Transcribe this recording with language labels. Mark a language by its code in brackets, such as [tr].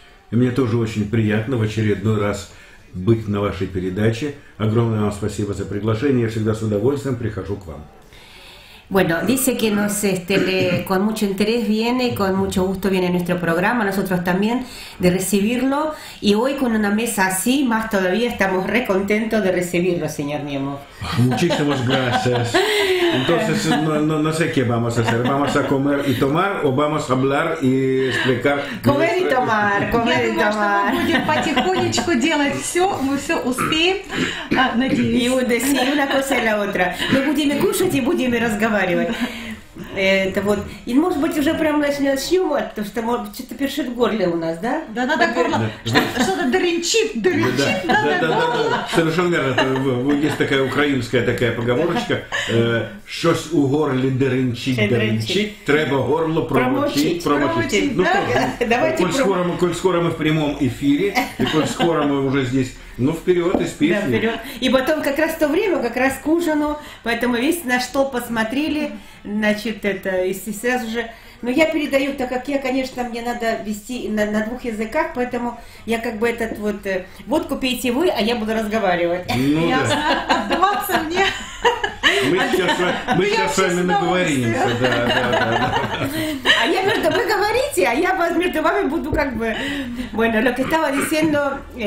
[ru] Мне тоже очень приятно в очередной раз быть на вашей передаче. Огромное вам спасибо за приглашение. Я всегда с удовольствием прихожу к вам. [es] Bueno, dice que nos con mucho interés viene, con mucho gusto viene nuestro programa, nosotros también, de recibirlo. Y hoy con una mesa así, más todavía, estamos re contentos de recibirlo, señor Niemo. Muchísimas gracias. Entonces, no sé qué vamos a hacer. ¿Vamos a comer y tomar o vamos a hablar y explicar? Comer y tomar, comer y tomar. [ru] Yo думаю, что мы будем потихонечку делать все, мы все успеем, надеюсь. [es] Y una cosa y la otra. [ru] Мы будем кушать и будем разговаривать. Это вот. И может быть уже прям начнем, потому что может быть что-то першит в горле у нас, да? Да, надо горло. Что-то дрянчит, надо горло. Совершенно верно. Есть такая украинская такая поговорочка. [uk] Щось у горлі дрянчить, треба горло промочить. [ru] Ну давайте. Коль скоро мы в прямом эфире, и коль скоро мы уже здесь. Ну, вперед из песни. Да, вперед. И потом как раз в то время, как раз к ужину, поэтому весь на что посмотрели, значит, это, если сразу же... Ну, я передаю, так как я, конечно, мне надо вести на двух языках, поэтому я как бы этот вот... Водку пейте вы, а я буду разговаривать. Ну, я да. Отдуваться мне... Мы сейчас с вами наговоримся. Да, да, да. А я между вы говорите, а я между вами буду как бы... [es] Bueno, lo que estaba diciendo...